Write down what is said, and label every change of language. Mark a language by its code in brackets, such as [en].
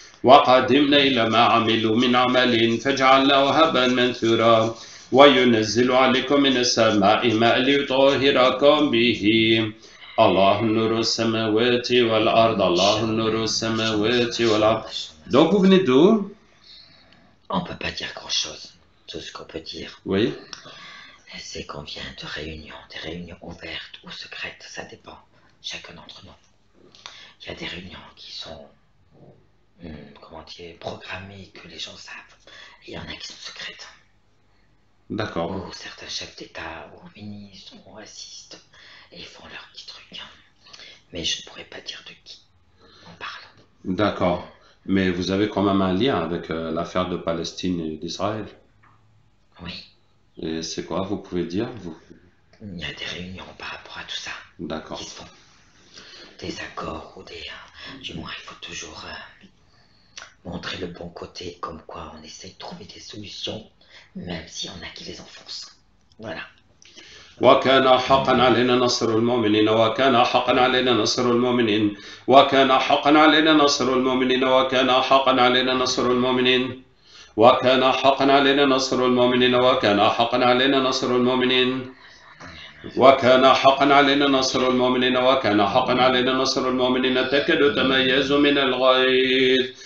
[ar] وقدمنا إلى ما عملوا من عمل فجعلناه هبا منثورا. وينزل عليكم من السماء ماء ليطهركم به. الله نور السماوات والأرض، الله نور السماوات والأرض. [fr] Donc vous venez d'où? On peut pas dire grand chose. Tout ce qu'on peut dire, oui, c'est qu'on vient de réunions, des réunions ouvertes ou secrètes, ça dépend chacun d'entre nous. Il y a des réunions qui sont, comment dire, programmées, que les gens savent, et il y en a qui sont secrètes. D'accord. Où certains chefs d'État ou ministres ou assistent et font leurs petits trucs. Mais je ne pourrais pas dire de qui on parle. D'accord. Mais vous avez quand même un lien avec l'affaire de Palestine et d'Israël. Oui. Et c'est quoi, vous pouvez dire, vous? Il y a des réunions par rapport à tout ça. D'accord. Qui se font. Des accords ou des... Du moins, il faut toujours montrer le bon côté, comme quoi on essaye de trouver des solutions, même s'il y en a qui les enfoncent. Voilà. [ar] وكان حقا علينا نصر المؤمنين، وكان حقا علينا نصر المؤمنين، وكان حقا علينا نصر المؤمنين، وكان حقا علينا نصر المؤمنين، وكان حقا علينا نصر المؤمنين، وكان حقا علينا نصر المؤمنين، وكان حقا علينا نصر المؤمنين، وكان حقا علينا نصر المؤمنين، تكاد تميز من الغيظ.